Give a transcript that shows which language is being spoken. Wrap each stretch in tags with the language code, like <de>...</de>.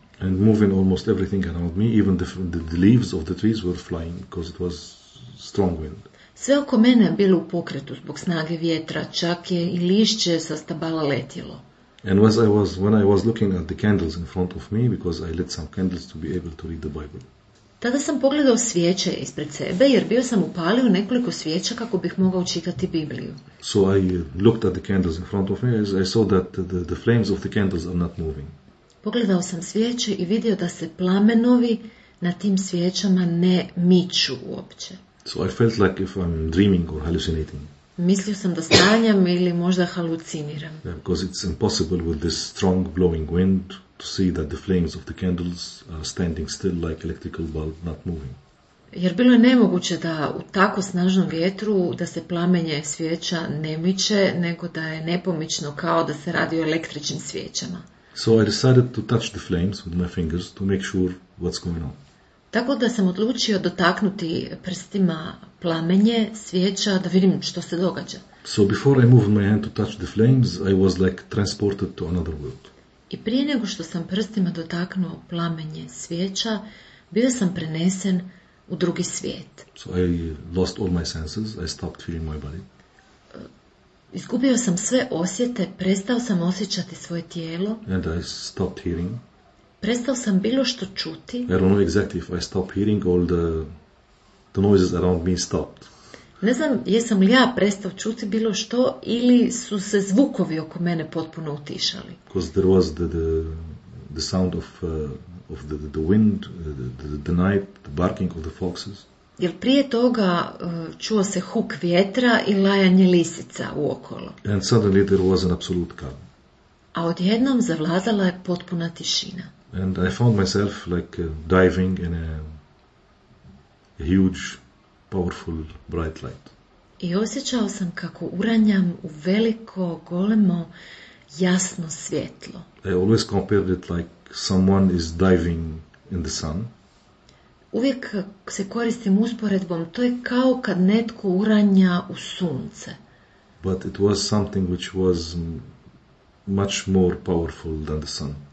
<en>And moving almost everything around me, even the leaves of the trees were flying because it was strong wind.</en> <hr>Sve oko mene je bilo u pokretu zbog snage vjetra, čak je i lišće sa stabala letjelo.</hr> <en>And as I was when I was looking at the candles in front of me because I lit some candles to be able to read the Bible.</en> <hr>Tada sam pogledao svijeće ispred sebe jer bio sam upalio nekoliko svijeća kako bih mogao čitati Bibliju.</hr> <en>So I looked at the candles in front of me as I saw that the flames of the candles are not moving.</en> <hr>Pogledao sam svijeće i vidio da se plamenovi na tim svijećama ne miču uopće.</hr> <en>So I felt like if I'm dreaming or hallucinating.</en> <hr>Mislio sam da sanjam ili možda haluciniram.</hr> <en>Yeah, because it's impossible with this strong blowing wind to see that the flames of the candles are standing still like electrical bulb not moving.</en> <hr>Jer bilo je nemoguće da u tako snažnom vjetru da se plamenje svijeća ne miče, nego da je nepomično kao da se radi o električnim svijećama.</hr> <en>So I decided to touch the flames with my fingers to make sure what's going on.</en> <hr>Tako da sam odlučio dotaknuti prstima plamenje svijeća da vidim što se događa.</hr> <en>So before I moved my hand to touch the flames, I was like transported to another world.</en> <hr>I prije nego što sam prstima dotaknuo plamenje svijeća, bio sam prenesen u drugi svijet.</hr> <en>So I lost all my senses, I stopped feeling my body.</en> <hr>Izgubio sam sve osjete, prestao sam osjećati svoje tijelo.</hr> <en>And I stopped hearing.</en> <hr>Prestao sam bilo što čuti.</hr> <en>I don't know exactly if I stopped hearing all the noises around me stopped.</en> <hr>Ne znam jesam li ja prestao čuti bilo što ili su se zvukovi oko mene potpuno utišali.</hr> <en>Because there was the sound of the wind, the night, the barking of the foxes.</en> <hr>Jer prije toga čuo se huk vjetra i lajanje lisica uokolo.</hr> <en>And suddenly there was an absolute calm.</en> <hr>A odjednom zavladala je potpuna tišina.</hr> <en>And I found myself like diving in a huge, powerful, bright light.</en> <hr>I osjećao sam kako uranjam u veliko, golemo, jasno svjetlo.</hr> <en>I always compared it like someone is diving in the sun.</en> <hr>Uvijek se koristim usporedbom, to je kao kad netko uranja u sunce.</hr> <en>But it was something which was much more powerful than the sun.</en>